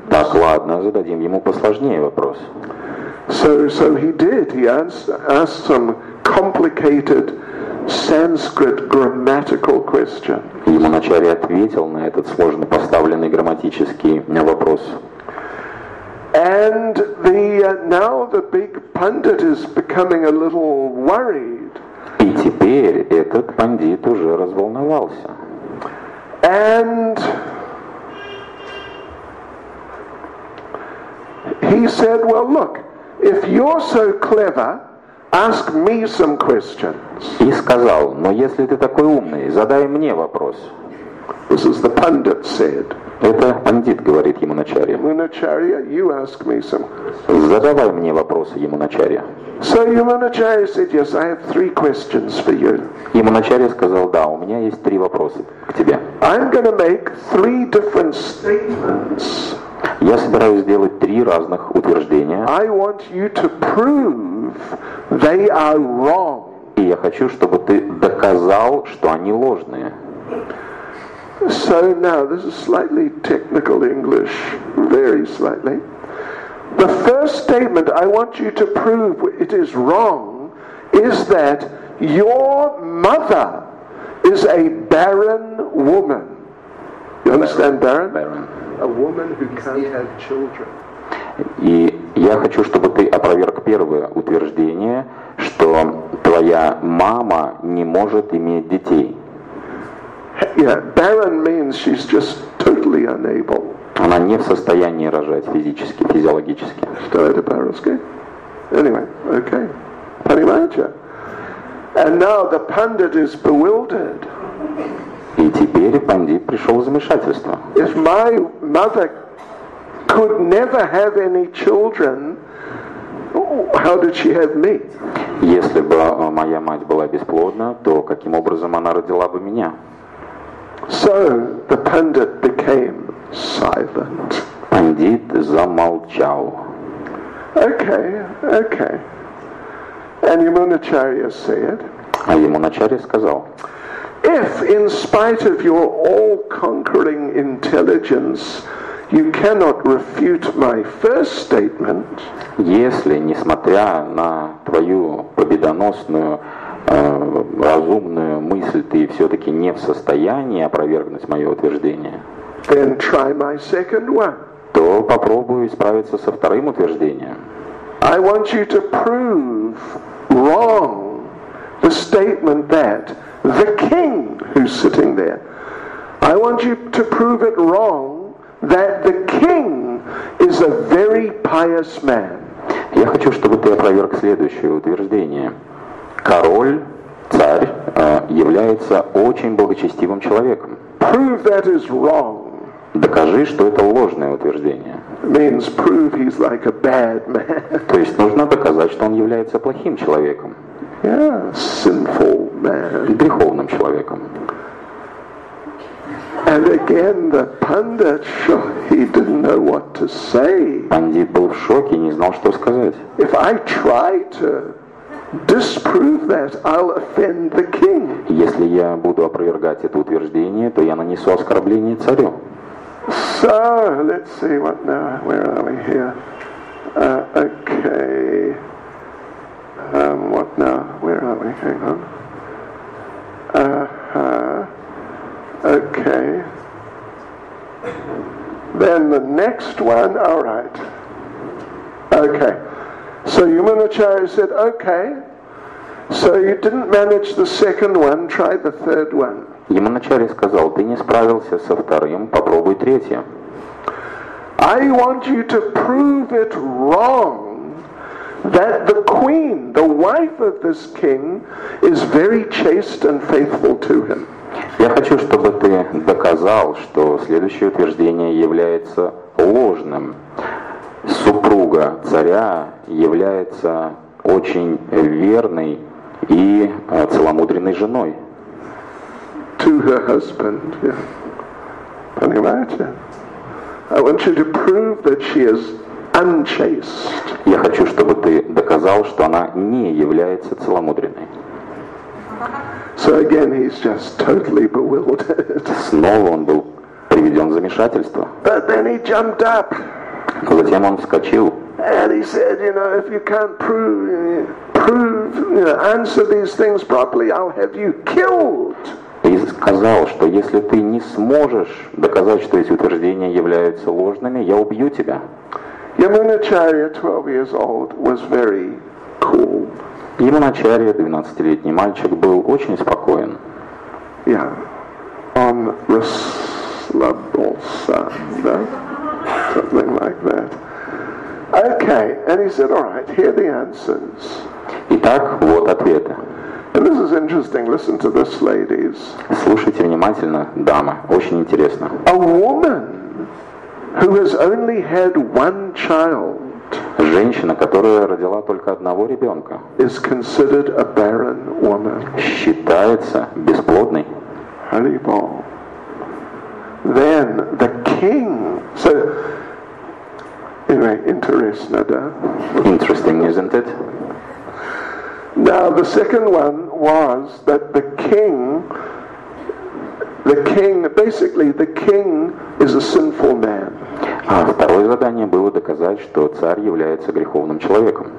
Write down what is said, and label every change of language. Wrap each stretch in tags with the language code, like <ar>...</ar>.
<ru>Так, ладно, зададим ему посложнее вопрос.</ru> <en>So he did. He asked some complicated Sanskrit grammatical question.</en> <ru>Ямуначарья ответил на этот сложно поставленный грамматический вопрос.</ru> <en>And now the big pundit is becoming a little worried.</en> <ru>И теперь этот пандит уже разволновался.</ru> <en>And he said, "Well, look, if you're so clever, ask me some questions."</en> <ru>И сказал, но если ты такой умный, задай мне вопрос.</ru> <en>This is the pundit said.</en> <ru>Это пандит говорит ему начарья.</ru> <en>Yamunacharya, you ask me some.</en> <ru>Задавай мне вопросы, Ямуначарья.</ru> <en>So Yamunacharya said, yes, I have three questions for you.</en> <ru>Ямуначарья сказал, да, у меня есть три вопроса к тебе.</ru> <en>I'm going to make three different statements.</en> <ru>Я собираюсь сделать три разных утверждения.</ru> <en>I want you to prove they are wrong.</en> <ru>И я хочу, чтобы ты доказал, что они ложные.</ru> <en>So now this is slightly technical English, very slightly. The first statement I want you to prove it is wrong is that your mother is a barren woman. You understand barren? Barren. A woman who can't have children.</en> <ru>И я хочу, чтобы ты опроверг первое утверждение, что твоя мама не может иметь детей.</ru> <en>Yeah, barren means she's just totally unable.</en> <ru>Она не в состоянии рожать физически, физиологически. Что это по-русски?</ru> <en>Anyway, okay.</en> <ru>Понимаете?</ru> <en>And now the pundit is bewildered.</en> <ru>И теперь пандит пришел в замешательство.</ru> <en>If my mother could never have any children, how did she have me?</en> <ru>Если бы моя мать была бесплодна, то каким образом она родила бы меня?</ru> <en>So the pundit became silent.</en> <ru>Пандит замолчал.</ru> <en>Okay, okay. And Yamunacharya said,</en> <ru>а Ямуначарья сказал,</ru> <en>if in spite of your all-conquering intelligence you cannot refute my first statement,</en> <ru>если, несмотря на твою победоносную разумную мысль, ты все-таки не в состоянии опровергнуть мое утверждение,</ru> <en>then try my second one.</en> <ru>То попробую справиться со вторым утверждением.</ru> <en>I want you to prove wrong the statement that the king who's sitting there, I want you to prove it wrong that the king is a very pious man.</en> <ru>Я хочу, чтобы ты опроверг следующее утверждение. Король, царь, является очень благочестивым человеком.</ru> <en>Prove that is wrong.</en> <ru>Докажи, что это ложное утверждение.</ru> <en>Means prove he's like a bad man.</en> <ru>То есть нужно доказать, что он является плохим человеком.</ru> <en>Yeah, sinful man.</en> <ru>Греховным человеком.</ru> <en>And again the pundit, he didn't know what to say.</en> <ru>Пандит был в шоке, не знал, что сказать.</ru> <en>If I try to disprove that, I'll offend the king.</en> <ru>Если я буду опровергать это утверждение, то я нанесу оскорбление царю.</ru> <en>So, let's see what now. Where are we here? Okay. What now? Where are we? Hang on. Okay. Then the next one. All right. Okay. So Yamunacharya said, okay. So you didn't manage the second one, try the third one.</en> <ru>Yamunacharya сказал, ты не справился со вторым, попробуй третье.</ru> <en>I want you to prove it wrong that the queen, the wife of this king, is very chaste and faithful to him.</en> <ru>Я хочу, чтобы ты доказал, что следующее утверждение является ложным. Супруга царя является очень верной и целомудренной женой.</ru> <en>To her husband, yeah.</en> <ru>Понимаете?</ru> <en>I want you to prove that she is unchaste.</en> <ru>Я хочу, чтобы ты доказал, что она не является целомудренной.</ru> <en>So again, he's just totally bewildered.</en> <ru>Снова он был приведен в замешательство.</ru> <en>But then he jumped up.</en> <ru>Но затем он вскочил.</ru> <en>And he said, you know, if you can't prove, you know, answer these things properly, I'll have you killed.</en> <ru>И сказал, что если ты не сможешь доказать, что эти утверждения являются ложными, я убью тебя.</ru> <en>Yamunacharya, 12 years old, was very cool.</en> <ru>Yamunacharya, 12-летний мальчик, был очень спокоен. Yeah. Он расслабился, да?</ru> <en>Something like that. Okay, and he said, all right, here are the answers.</en> <ru>Итак, вот ответы.</ru> <en>And this is interesting, listen to this, ladies.</en> <ru>Слушайте внимательно, дамы, очень интересно.</ru> <en>A woman who has only had one child,</en> <ru>женщина, которая родила только одного ребенка,</ru> <en>is considered a barren woman.</en> <ru>Считается бесплодной.</ru> <en>Haribol. Then the king. So, anyway, interesting, да? Interesting, isn't it? Now the second one was that the king, basically, the king is a sinful man.</en> <ru>А второе задание было доказать, что царь является греховным человеком.</ru>